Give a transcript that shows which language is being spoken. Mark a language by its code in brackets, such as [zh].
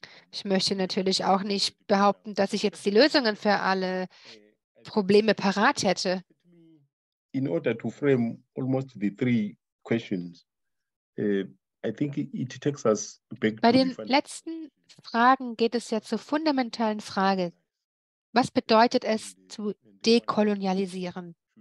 [de] Ich möchte natürlich auch nicht behaupten, dass ich jetzt die Lösungen für alle Probleme parat hätte. [en] In order to frame almost the three questions, I think it takes us back [de] to. Bei den letzten Fragen geht es ja zur fundamentalen Frage. Was bedeutet es, zu dekolonialisieren?